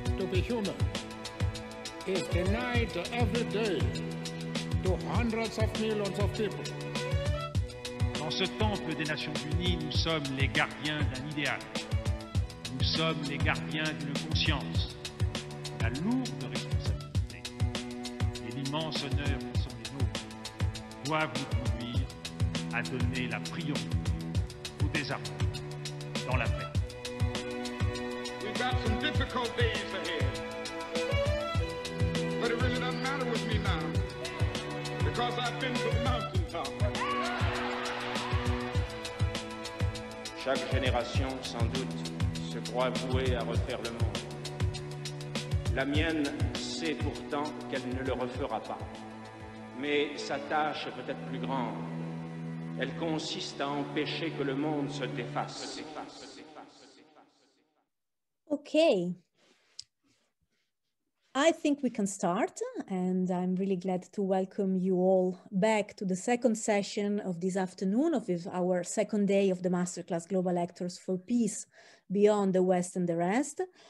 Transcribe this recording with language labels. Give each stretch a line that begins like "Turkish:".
English: the human is denied every day to hundreds of millions of people.
French: Dans ce temple des Nations Unies, nous sommes les gardiens d'un idéal. Nous sommes les gardiens d'une conscience. La lourde responsabilité et l'immense honneur qui sont les nôtres doivent nous conduire à donner la priorité au désarroi dans la paix.
English: We've got some difficult days ahead. But it really doesn't matter with me now. Because I've been to the mountaintop.
French: Chaque génération, sans doute, se croit vouée à refaire le monde. La mienne sait pourtant qu'elle ne le refera pas. Mais sa tâche est peut-être plus grande. Elle consiste à empêcher que le monde se défasse.
English: Okay. I think we can start, and I'm really glad to welcome you all back to the second session of this afternoon of our second day of the Masterclass Global Actors for Peace Beyond the West and the Rest.